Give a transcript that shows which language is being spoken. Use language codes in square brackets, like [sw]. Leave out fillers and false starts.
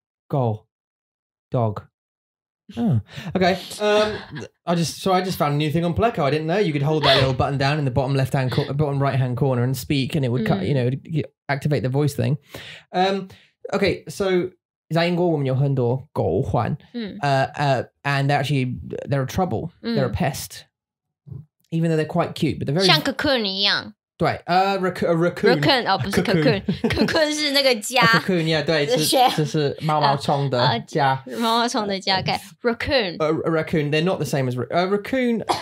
[en] 狗。Dog. Oh, okay. I just found a new thing on Pleco. I didn't know you could hold that little button down in the bottom left hand bottom right hand corner and speak, and it would cut. You know, activate the voice thing. Okay. [zh] So, 在英国我们有很多狗环. [en] And they're a trouble. They're a pest. Even though they're quite cute, but they're very [zh] 像 cocoon一样. [en] 对, a raccoon. [zh] Oh, 不是 cocoon. Cocoon是那个家. [en] A cocoon, yeah, [zh] 对, 这是毛毛虫的家. 毛毛虫的家, okay. Raccoon. [en] A raccoon, they're not the same as a raccoon.